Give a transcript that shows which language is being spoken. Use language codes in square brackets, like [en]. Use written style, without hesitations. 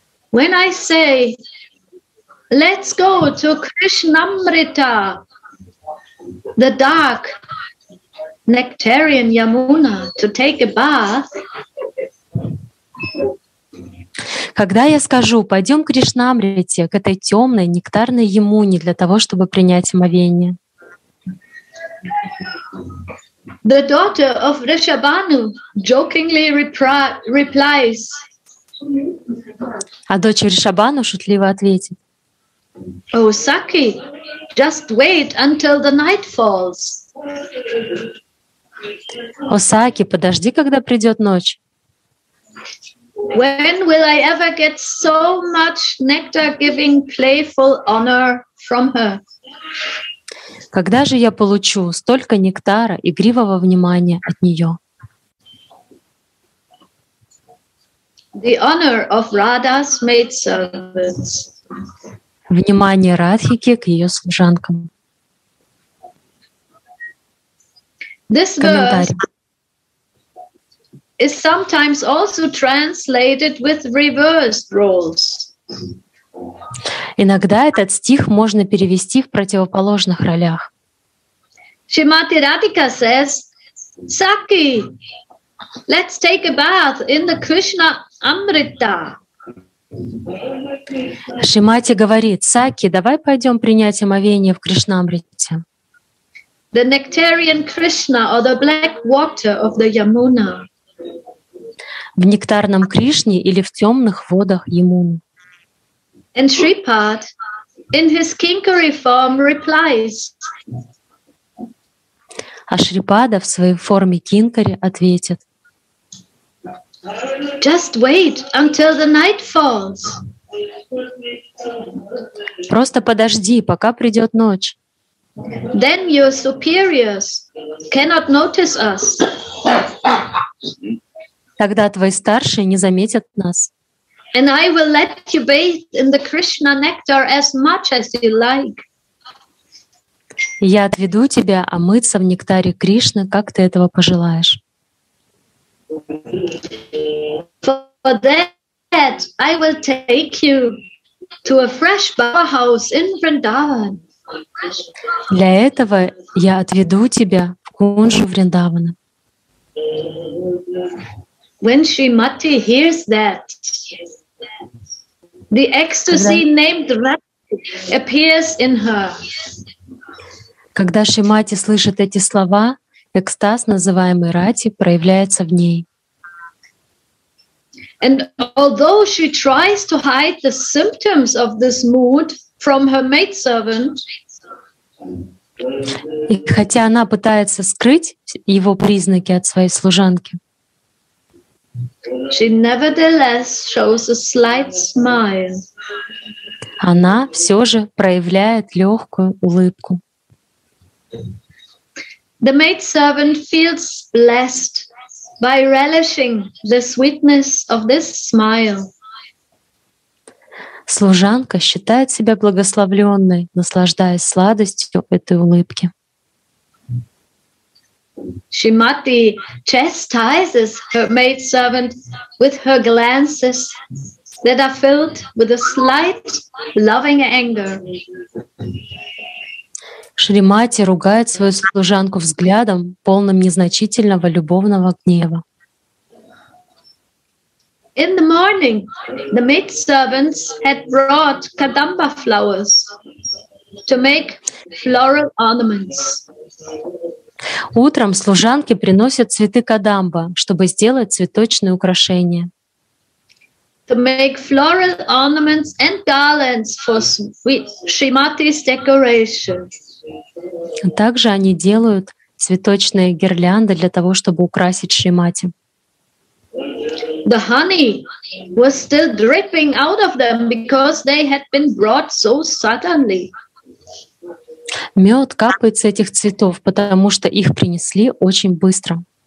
[en] When I say let's go to Krishnamrita, the dark nectarian Yamuna, to take a bath. [ru] Когда я скажу, пойдем к Кришнамрите, к этой темной нектарной Ямуне для того, чтобы принять омовение. [en] The daughter of Rishabhanu jokingly replies. [ru] А дочь Ришабану шутливо ответит. [en] Oh, Saki, just wait until the night falls. [ru] О, Саки, подожди, когда придет ночь. [en] When will I ever get so much nectar-giving, playful honor from her? [ru] Когда же я получу столько нектара, игривого внимания от нее? [en] the honor of Radha's maidservants. [ru] Внимание Радхики к ее служанкам. [en] This verse is sometimes also translated with reversed roles. [ru] Иногда этот стих можно перевести в противоположных ролях. [en] Шримати Радхика says, Саки, let's take a bath in the Krishna Amrita. [ru] Шримати говорит, Саки, давай пойдем принять омовение в Кришнамрите. [en] The nectarian Krishna or the black water of the Yamuna. [ru] В нектарном Кришне или в темных водах Ямуны. [en] And Shripad, in his kinkari form, replies. [ru] А Шрипада в своей форме кинкари ответит. [en] Just wait until the night falls. [ru] Просто подожди, пока придет ночь. [en] Then your superiors cannot notice us. [ru] Тогда твои старшие не заметят нас. [en] And I will let you bathe in the Krishna nectar as much as you like. [ru] Я отведу тебя омыться в нектаре Кришны, как ты этого пожелаешь. [en] For that, I will take you to a fresh bower house in Vrindavan. [ru] Для этого я отведу тебя в кунжу Вриндавана. [en] When Shrimati hears that, the ecstasy named Radha appears in her. [ru] Когда Шримати слышит эти слова, экстаз, называемый Рати, проявляется в ней. [en] And although she tries to hide the symptoms of this mood from her maidservant, [ru] и хотя она пытается скрыть его признаки от своей служанки, [en] she nevertheless shows a slight smile. [ru] Она все же проявляет легкую улыбку. [en] The maidservant feels blessed by relishing the sweetness of this smile. [ru] Служанка считает себя благословленной, наслаждаясь сладостью этой улыбки. [en] Шримати chastises her maidservant with her glances that are filled with a slight loving anger. [ru] Шримати ругает свою служанку взглядом, полным незначительного любовного гнева. [en] In the morning, the maidservants had brought kadamba flowers to make floral ornaments. [ru] Утром служанки приносят цветы кадамба, чтобы сделать цветочные украшения. [en] To make floral ornaments and garlands for Shrimati's decoration. [ru] Также они делают цветочные гирлянды для того, чтобы украсить Шримати. [en] The honey was still dripping out of them because they had been brought so suddenly. [ru] Мед капает с этих цветов, потому что их принесли очень быстро.